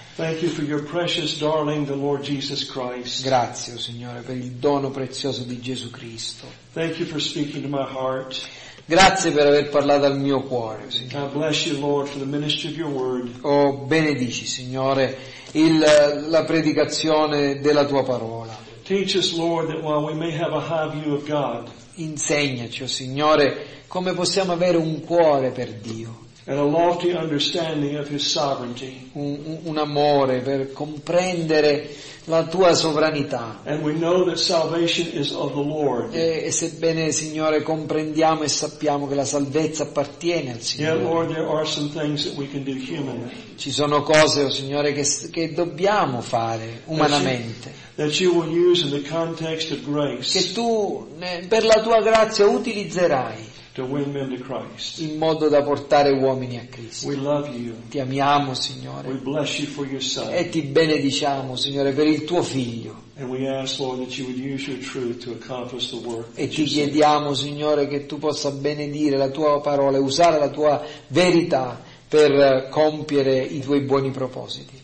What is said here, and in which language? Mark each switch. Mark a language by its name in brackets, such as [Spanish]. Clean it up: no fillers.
[English] Thank you for your precious darling, the Lord Jesus Christ. [Italian] Grazie, Signore, per il dono prezioso di Gesù Cristo. [English] Thank you for speaking to my heart. [Italian] Grazie per aver parlato al mio cuore, Signore. [English] God bless you, Lord, for the ministry of your word. [Italian] Oh, benedici, Signore, la predicazione della tua parola. [English] Teach us, Lord, that while we may have a high view of God, [Italian] insegnaci, oh Signore, come possiamo avere un cuore per Dio. [English] And a lofty understanding of his sovereignty. [Italian] Un amore per comprendere la tua sovranità. [English] And we know that salvation is of the Lord. [Italian] E sebbene, Signore, comprendiamo e sappiamo che la salvezza appartiene al Signore. [English] Yet, Lord, there are some things that we can do humanly. [Italian] Ci sono cose, oh Signore, che dobbiamo fare umanamente. [English] That you will use in the context of grace. [Italian] Che tu per la tua grazia utilizzerai. [English] To win men to Christ. [Italian] In modo da portare uomini a Cristo. [English] We love you. [Italian] Ti amiamo, Signore. [English] We bless you for your son. [Italian] E ti benediciamo, Signore, per il tuo figlio. [English] And we ask, Lord, that you would use your truth to accomplish the work. [Italian] E ti chiediamo, Signore, che tu possa benedire la tua parola e usare la tua verità per compiere i tuoi buoni propositi.